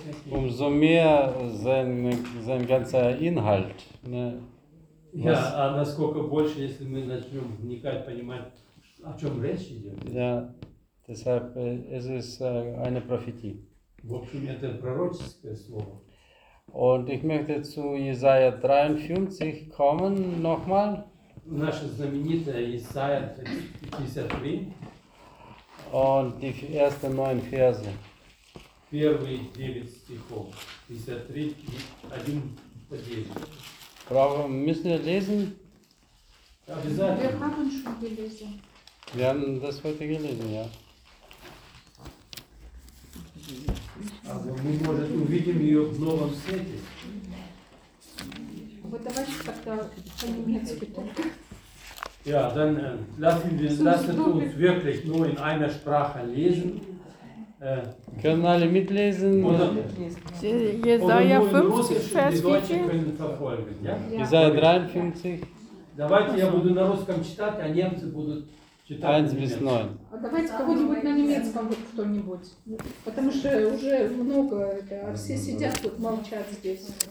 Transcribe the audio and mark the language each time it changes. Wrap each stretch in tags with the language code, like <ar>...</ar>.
<de>Umso mehr sein ganzer Inhalt. Ne? Ja, aber</de> <ru>насколько больше, если мы начнем вникать, понимать, о чем речь идет.</ru> <de>Ja, deshalb es ist eine Prophetie.</de> <ru>В общем, это пророческое слово.</ru> <de>Und ich möchte zu Jesaja 53 kommen nochmal.</de> <ru>Наша знаменитая Jesaja 53.</ru> <de>Und die ersten 9 Verse.</de> <ru>Первые 9 стихов. 53, 1 по 9.</ru> <de>Brauchen, müssen wir lesen?</de> <ru>Обязательно.</ru> <de>Wir haben schon gelesen. Wir haben das heute gelesen, ja.</de> <ru>Also, мы, может, увидим ее в новом свете. Вот давайте как-то по-немецки только.</ru> <de>Ja, dann lassen wir uns wirklich nur in einer Sprache lesen. Können alle mitlesen? Jesaja 50, Vers 4. Die Deutschen können verfolgen, ja? Jesaja 53.</de> <ru>Давайте я буду на русском читать, а немцы будут...</ru> <de>1 bis 9.</de> <ru>Давайте кого-нибудь на немецком кто-нибудь. Потому что уже много, а все сидят тут, молчат здесь.</ru>